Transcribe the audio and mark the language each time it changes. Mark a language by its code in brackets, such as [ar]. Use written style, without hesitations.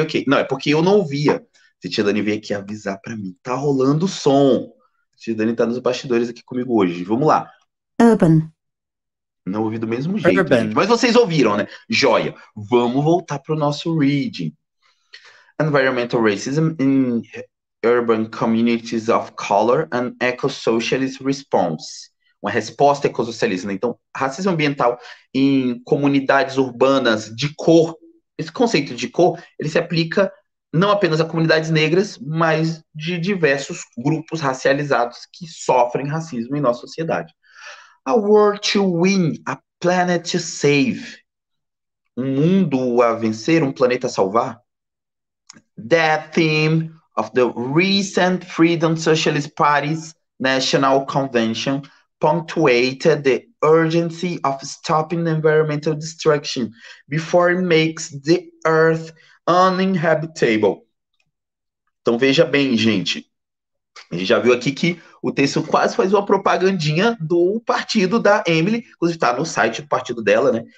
[pt] Não, é porque eu não ouvia. Titia Dani veio aqui avisar para mim. Tá rolando som. Titia Dani tá nos bastidores aqui comigo hoje. Vamos lá. [en] Urban. [pt] Não ouvi do mesmo jeito, gente. [en] Urban. [pt] Mas vocês ouviram, né? Joia. Vamos voltar para o nosso reading. [en] Environmental racism in urban communities of color and eco-socialist response. [pt] Uma resposta ecossocialista. Então, racismo ambiental em comunidades urbanas de cor. Esse conceito de cor, ele se aplica não apenas a comunidades negras, mas de diversos grupos racializados que sofrem racismo em nossa sociedade. [en] A World to Win, a Planet to Save. [pt] Um mundo a vencer, um planeta a salvar. [en] The theme of the recent Freedom Socialist Party's National Convention punctuated the urgency of stopping environmental destruction before it makes the Earth uninhabitable. [pt] Então veja bem, gente. A gente já viu aqui que o texto quase faz uma propagandinha do partido da Emily, inclusive está no site do partido dela, né?